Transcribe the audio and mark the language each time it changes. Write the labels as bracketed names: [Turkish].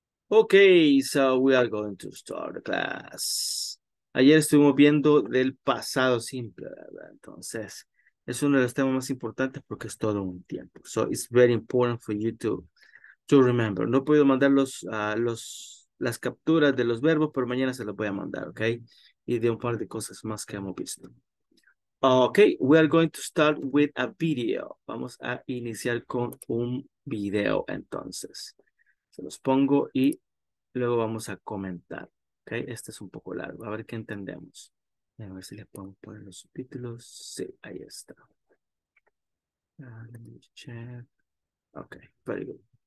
[English] Okay, so we are going to start the class. [Spanish] Ayer estuvimos viendo del pasado simple, ¿verdad? Entonces, es uno de los temas más importantes porque es todo un tiempo. [English] So it's very important for you to remember. [Spanish] No he podido mandar las capturas de los verbos, pero mañana se los voy a mandar, ¿ok? Y de un par de cosas más que hemos visto. [English] Ok, we are going to start with a video. [Spanish] Vamos a iniciar con un video, entonces. Se los pongo y luego vamos a comentar, ¿ok? Este es un poco largo, a ver qué entendemos. A ver si les podemos poner los subtítulos. Sí, ahí está. [English] Let me check. Ok, very good.